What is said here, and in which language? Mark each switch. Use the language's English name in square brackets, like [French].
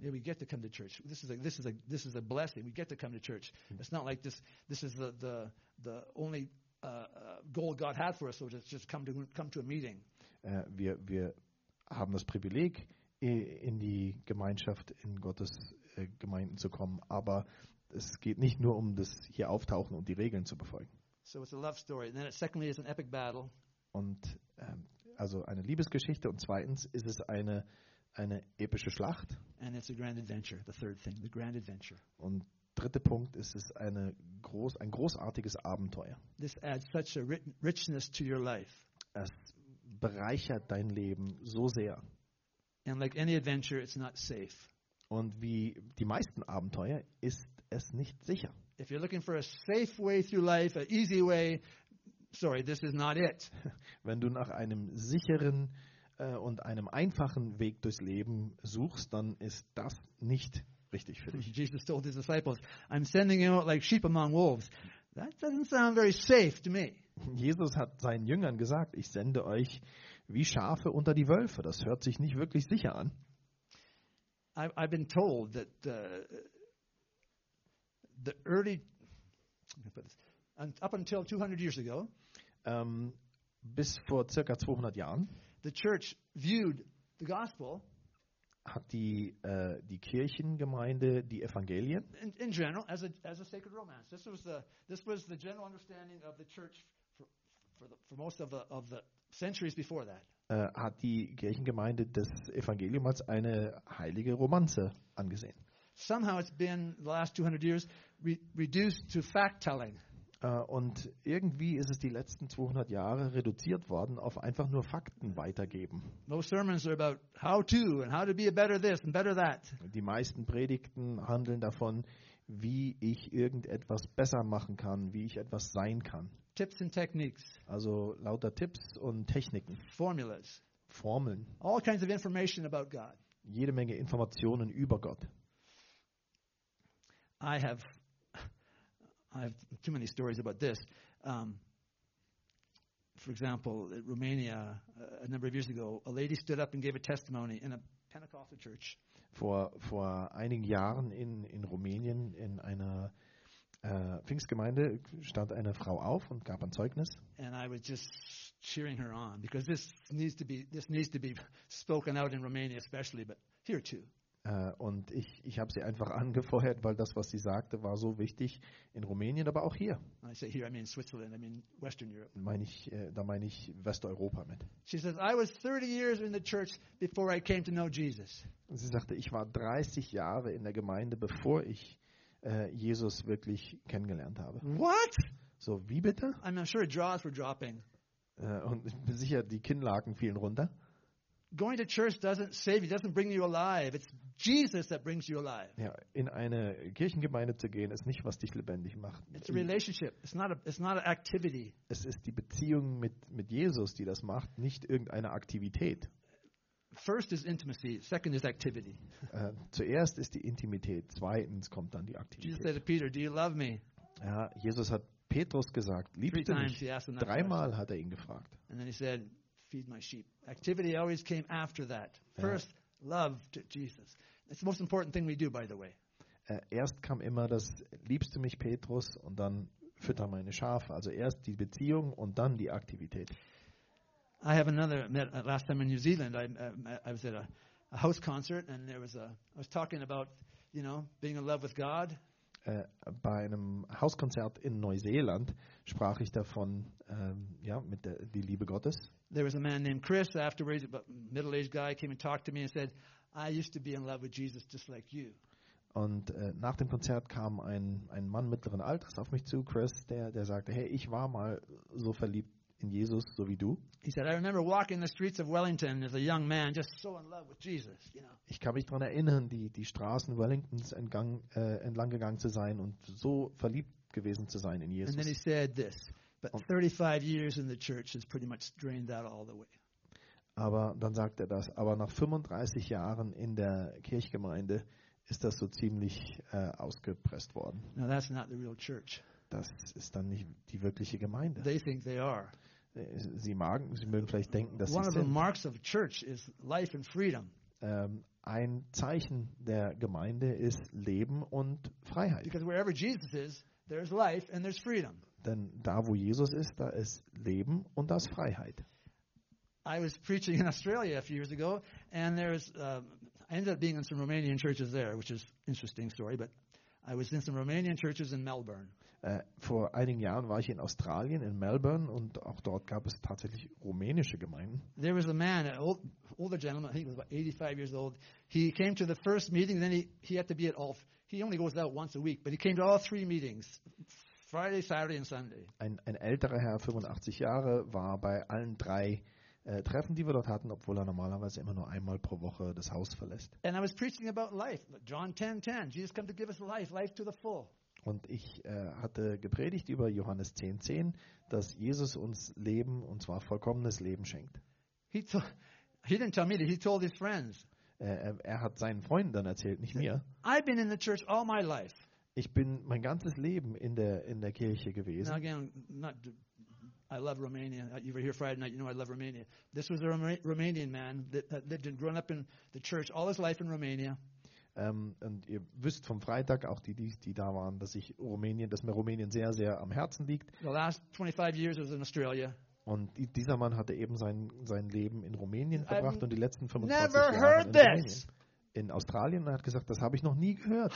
[English] Yeah, we get to come to church. This is a blessing. We get to come to church. It's not like this is the only goal God had for us, so just come to a meeting. [German] Wir haben das Privileg, in die Gemeinschaft, in Gottes Gemeinden zu kommen, aber es geht nicht nur um das hier Auftauchen und die Regeln zu befolgen. [English] So it's a love story. And then secondly, it's an epic battle. [German] Und also eine Liebesgeschichte und zweitens ist es eine epische Schlacht. [English] And it's a grand adventure, the third thing, the grand adventure. [German] Und dritter Punkt ist es ein großartiges Abenteuer. [English] This adds such a richness to your life. [German] Es bereichert dein Leben so sehr. [English] And like any adventure, it's not safe. [German] Und wie die meisten Abenteuer ist es nicht sicher. [English] If you're looking for a safe way through life, an easy way, sorry, this is not it. [German] Wenn du nach einem sicheren und einem einfachen Weg durchs Leben suchst, dann ist das nicht richtig für dich. [English] Jesus told his disciples, I'm sending you out like sheep among wolves. That doesn't sound very safe to me. [German] Jesus hat seinen Jüngern gesagt, ich sende euch wie Schafe unter die Wölfe. Das hört sich nicht wirklich sicher an. [English] I've been told that the early, and up until 200 years ago, [German] bis vor circa 200 Jahren, [English] the church viewed the gospel, [German] hat die Kirchengemeinde die Evangelien, [English] in general as a sacred romance. This was the general understanding of the church for most of the centuries before that. [German] Hat die Kirchengemeinde das Evangelium als eine heilige Romanze angesehen. [English] Somehow it's been the last 200 years reduced to fact-telling. [German] Und irgendwie ist es die letzten 200 Jahre reduziert worden auf einfach nur Fakten weitergeben. [English] No sermons are about how to and how to be a better this and better that. [German] Die meisten Predigten handeln davon, wie ich irgendetwas besser machen kann, wie ich etwas sein kann. [English] Tips and techniques. [German] Also lauter Tipps und Techniken. [English] Formulas. [German] Formeln. [English] All kinds of information about God. [German] Jede Menge Informationen über Gott. [English] I have too many stories about this. For example, in Romania, a number of years ago, a lady stood up and gave a testimony in a Pentecostal church. [German] Vor einigen Jahren in Rumänien in einer Pfingstgemeinde stand eine Frau auf und gab ein Zeugnis. [English] And I was just cheering her on because this needs to be spoken out in Romania especially, but here too. [German] Und ich habe sie einfach angefeuert, weil das, was sie sagte, war so wichtig in Rumänien, aber auch hier. [English] I say here, I mean Switzerland, I mean Western Europe. [German] Da meine ich Westeuropa mit. [English] She says, I was 30 years in the church before I came to know Jesus. [German] Sie sagte, ich war 30 Jahre in der Gemeinde, bevor ich Jesus wirklich kennengelernt habe. [English] What? [German] So, wie bitte? [English] I'm sure jaws were dropping. [German] Und ich bin sicher, die Kinnlaken fielen runter. [English] Going to church doesn't save you, doesn't bring you alive. It's Jesus that brings you alive. [German] Ja, in eine Kirchengemeinde zu gehen, ist nicht, was dich lebendig macht. [English] It's a relationship. It's not an activity. [German] Es ist die Beziehung mit Jesus, die das macht, nicht irgendeine Aktivität. [English] First is intimacy, second is activity. [German] Zuerst ist die Intimität, zweitens kommt dann die Aktivität. [English] Jesus said to Peter, do you love me? [German] Ja, Jesus hat Petrus gesagt, liebst du mich? Dreimal hat er ihn gefragt. [English] And then he said, feed my sheep. Activity always came after that. First, love to Jesus. It's the most important thing we do, by the way. [German] Erst kam immer das, liebst du mich, Petrus, und dann fütter meine Schafe. Also erst die Beziehung und dann die Aktivität. [English] I have another, last time in New Zealand, I was at a house concert, and there was I was talking about, you know, being in love with God. [German] Bei einem Hauskonzert in Neuseeland sprach ich davon, mit die Liebe Gottes. [English] There was a man named Chris afterwards, a middle-aged guy, came and talked to me and said, I used to be in love with Jesus just like you. [German] Und nach dem Konzert kam ein Mann mittleren Alters auf mich zu, Chris, der sagte, hey, ich war mal so verliebt in Jesus, so wie du. [English] He said, I remember walking the streets of Wellington as a young man, just so in love with Jesus. You know. [German] Ich kann mich daran erinnern, die Straßen Wellingtons entlang gegangen zu sein und so verliebt gewesen zu sein in Jesus. [English] And then he said this, but 35 years in the church has pretty much drained that all the way. [German] Aber dann sagt er das. Aber nach 35 Jahren in der Kirchgemeinde ist das so ziemlich ausgepresst worden. [English] Now that's not the real church. [German] Das ist dann nicht die wirkliche Gemeinde. [English] They think they are. [German] Sie mögen vielleicht denken, dass sie sind. [English] One of the marks of church is life and freedom. [German] Ein Zeichen der Gemeinde ist Leben und Freiheit. [English] Because wherever Jesus is, there's life and there's freedom. [German] Denn da, wo Jesus ist, da ist Leben und da ist Freiheit. [English] I was preaching in Australia a few years ago, and I ended up being in some Romanian churches there, which is an interesting story, but I was in some Romanian churches in Melbourne. [German] Vor einigen Jahren war ich in Australien, in Melbourne, und auch dort gab es tatsächlich rumänische Gemeinden. [English] There was a man, an older gentleman, I think he was about 85 years old. He came to the first meeting, then he had to be at all. He only goes out once a week, but he came to all three meetings, Friday, Saturday and Sunday. [German] Ein älterer Herr, 85 Jahre, war bei allen drei Treffen, die wir dort hatten, obwohl er normalerweise immer nur einmal pro Woche das Haus verlässt. [English] And I was preaching about life, John 10:10. Jesus came to give us life to the full. [German] Und ich hatte gepredigt über Johannes 10:10, dass Jesus uns Leben, und zwar vollkommenes Leben, schenkt. [English] He didn't tell me that, he told his friends. [German] Er hat seinen Freunden dann erzählt, nicht mir. [English] I've been in the church all my life. [German] Ich bin mein ganzes Leben in der Kirche gewesen. [English] Now again, I love Romania. You were here Friday night, you know I love Romania. This was a Romanian man that lived and grown up in the church all his life in Romania. [German] Und ihr wisst vom Freitag, auch die da waren, dass mir Rumänien sehr, sehr am Herzen liegt. [English] The last 25 years was in Australia. [German] Und dieser Mann hatte eben sein Leben in Rumänien verbracht und die letzten 25 [English] never [German] Jahre [English] heard [German] in [English] this. [German] Rumänien. In Australien, und er hat gesagt, das habe ich noch nie gehört.